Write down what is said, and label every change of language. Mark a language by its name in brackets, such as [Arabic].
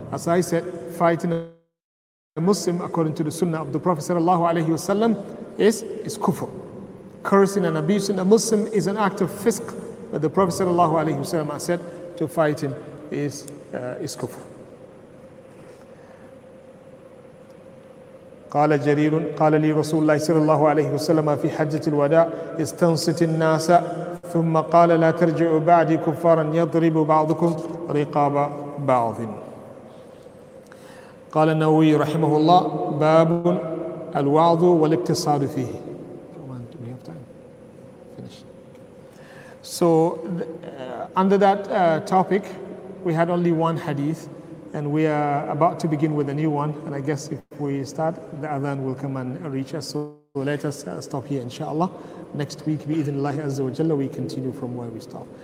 [English] As I said, fighting a Muslim according to the Sunnah of the Prophet sallallahu alayhi wa sallam is kufr. Cursing and abusing a Muslim is an act of fisk, but the Prophet sallallahu alayhi wa sallam said to fight him is kufr. [Arabic] قال جرير قال لي رسول الله صلى الله عليه وسلم في حجة الوداع استنصت الناس ثم قال لا ترجعوا بعد كفارا يضرب بعضكم رقاب بعض. قال النووي رحمه الله باب الوعظ والاقتصار فيه. [English] So under that topic we had only one hadith. And we are about to begin with a new one. And I guess if we start, the adhan will come and reach us. So let us stop here, inshallah. Next week, bi-idhnillahi azza wa jalla, we continue from where we stop.